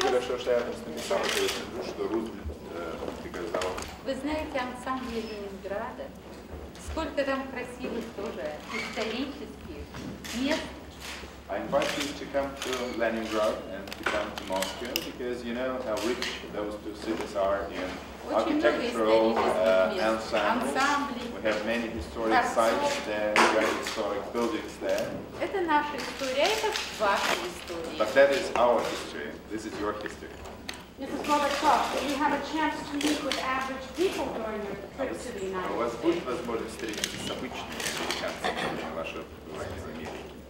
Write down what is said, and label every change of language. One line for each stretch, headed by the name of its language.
Russian: хорошо, что я просто не сам говорю, что Рузвельт приказал. Вы знаете ансамбль Ленинграда? Сколько там красивых тоже исторических мест.
English: I invite you to come to Leningrad and to come to Moscow because you know how rich those two cities are in architectural ensembles. We have many historic sites there, great historic buildings there.
Russian: Это наша история, это ваша история.
English: But that is our history. This is your history. Mrs. Gorbachev, you have a chance to meet with average people during your trip to the United States.
Russian: У вас будет возможность встретиться с обычными американцами в вашем городе в Америке.